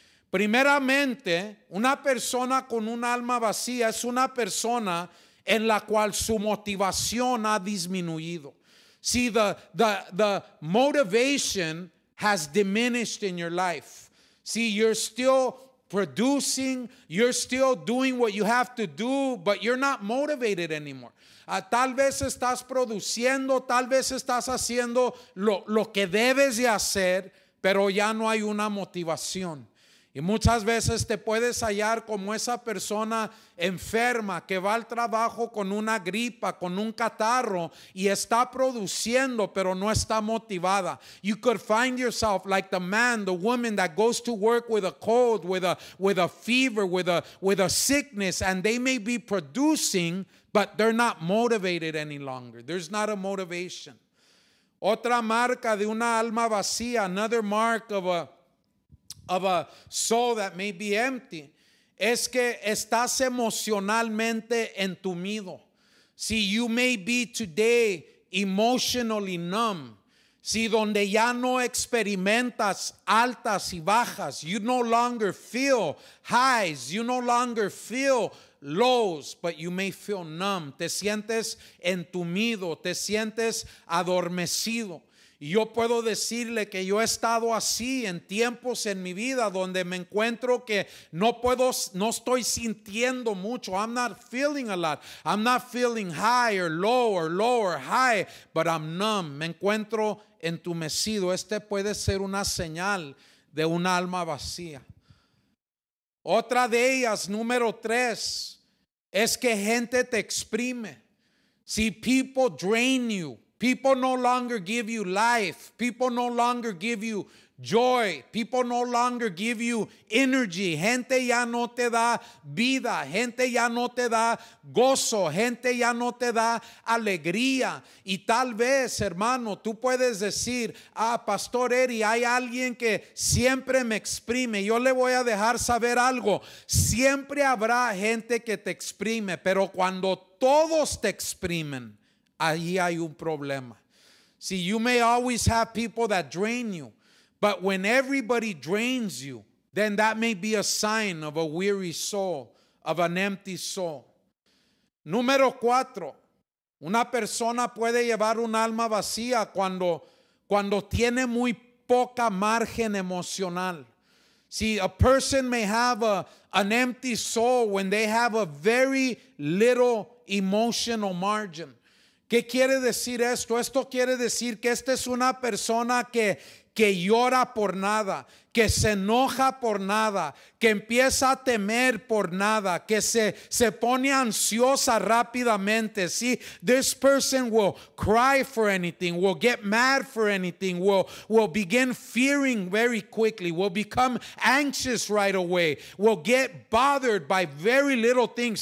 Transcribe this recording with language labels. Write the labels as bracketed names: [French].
[Spanish] Primeramente, una persona con un alma vacía es una persona en la cual su motivación ha disminuido. [English] See, the motivation has diminished in your life. See, you're still producing, you're still doing what you have to do, but you're not motivated anymore. [Spanish] Tal vez estás produciendo, tal vez estás haciendo lo que debes de hacer, pero ya no hay una motivación. Y muchas veces te puedes hallar como esa persona enferma que va al trabajo con una gripa, con un catarro y está produciendo, pero no está motivada. [English] You could find yourself like the man, the woman that goes to work with a cold, with a fever, with a sickness, and they may be producing, but they're not motivated any longer. There's not a motivation. [Spanish] Otra marca de una alma vacía, [English] another mark of a soul that may be empty, [Spanish] es que estás emocionalmente entumido. [English] See, you may be today emotionally numb. [Spanish] Si donde ya no experimentas altas y bajas, [English] you no longer feel highs, you no longer feel lows, but you may feel numb. [Spanish] Te sientes entumido, te sientes adormecido. Y yo puedo decirle que yo he estado así en tiempos en mi vida donde me encuentro que no estoy sintiendo mucho. [English] I'm not feeling a lot. I'm not feeling high or low or low or high, but I'm numb. [Spanish] Me encuentro entumecido. Este puede ser una señal de un alma vacía. Otra de ellas, número tres, es que gente te exprime. [English] See, people drain you. People no longer give you life. People no longer give you joy. People no longer give you energy. [Spanish] Gente ya no te da vida. Gente ya no te da gozo. Gente ya no te da alegría. Y tal vez, hermano, tú puedes decir, ah, Pastor Eri, hay alguien que siempre me exprime. Yo le voy a dejar saber algo. Siempre habrá gente que te exprime, pero cuando todos te exprimen, ahí hay un problema. [English] See, you may always have people that drain you, but when everybody drains you, then that may be a sign of a weary soul, of an empty soul. [Spanish] Número cuatro, una persona puede llevar un alma vacía cuando tiene muy poca margen emocional. [English] See, a person may have an empty soul when they have a very little emotional margin. [Spanish] ¿Qué quiere decir esto? Esto quiere decir que esta es una persona que llora por nada, que se enoja por nada, que empieza a temer por nada, que se pone ansiosa rápidamente. [English] See, this person will cry for anything, will get mad for anything, will begin fearing very quickly, will become anxious right away, will get bothered by very little things.